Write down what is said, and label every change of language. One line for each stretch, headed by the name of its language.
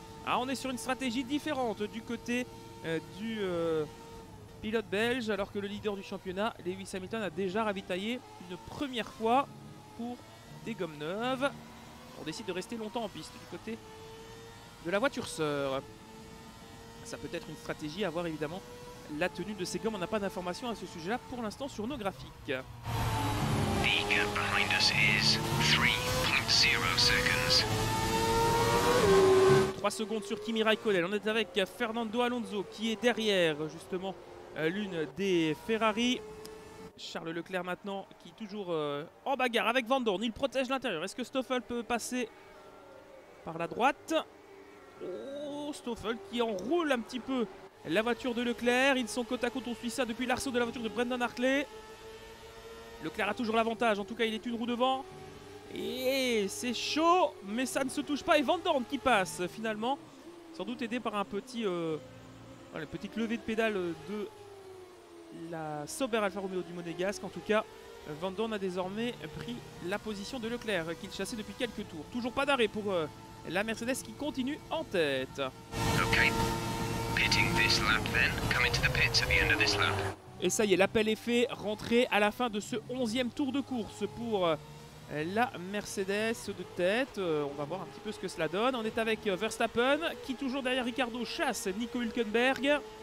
French: Ah, on est sur une stratégie différente du côté du pilote belge, alors que le leader du championnat, Lewis Hamilton, a déjà ravitaillé une première fois pour des gommes neuves. On décide de rester longtemps en piste du côté de la voiture sœur. Ça peut être une stratégie à voir, évidemment, la tenue de ces gommes. On n'a pas d'informations à ce sujet-là pour l'instant sur nos graphiques.
English: The gap behind us is 3.0 seconds.
French: 3 secondes sur Kimi Raikkonen. On est avec Fernando Alonso qui est derrière justement l'une des Ferrari. Charles Leclerc maintenant qui est toujours en bagarre avec Vandoorne. Il protège l'intérieur. Est-ce que Stoffel peut passer par la droite? Oh, Stoffel qui enroule un petit peu la voiture de Leclerc. Ils sont côte à côte, on suit ça depuis l'arceau de la voiture de Brendan Hartley. Leclerc a toujours l'avantage, en tout cas il est une roue devant. Et c'est chaud, mais ça ne se touche pas. Et Vandoorne qui passe finalement, sans doute aidé par un petit une petite levée de pédale de la Sauber Alfa Romeo du Monégasque. En tout cas, Vandoorne a désormais pris la position de Leclerc qu'il chassait depuis quelques tours. Toujours pas d'arrêt pour la Mercedes qui continue en tête.
English: Okay. Pitting this lap then. Come into the pits at the end of this lap.
French: Et ça y est, l'appel est fait, rentrée à la fin de ce 11e tour de course pour la Mercedes de tête. On va voir un petit peu ce que cela donne. On est avec Verstappen qui, toujours derrière Ricardo, chasse Nico Hülkenberg.